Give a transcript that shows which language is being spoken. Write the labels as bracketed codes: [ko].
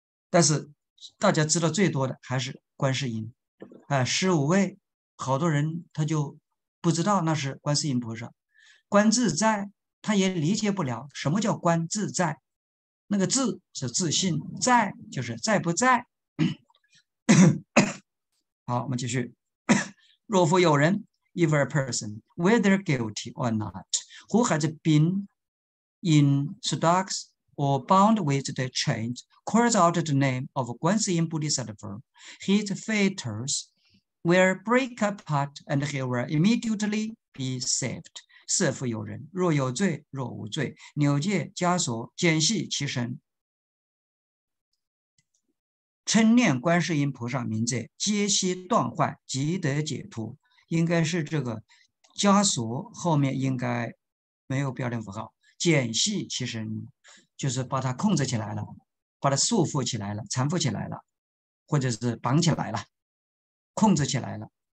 [zh] 但是大家知道最多的还是观世音，啊，十五位，好多人他就不知道那是观世音菩萨，观自在他也理解不了什么叫观自在，那个自是自信，在就是在不在。好，我们继续。若复有人 [en] ，if a person whether guilty or not, who has been in stocks or bound with the chains, calls out the name of Gwan Shi Yin Bodhisattva, his fetters will break apart and he will immediately be saved. [zh] 是复有人，若有罪，若无罪，纽结枷锁，简系其身。称念观世音菩萨名者，皆悉断坏，即得解脱。应该是这个枷锁后面应该没有标点符号，简系其身，就是把它控制起来了，把它束缚起来了，缠缚起来了，或者是绑起来了，控制起来了。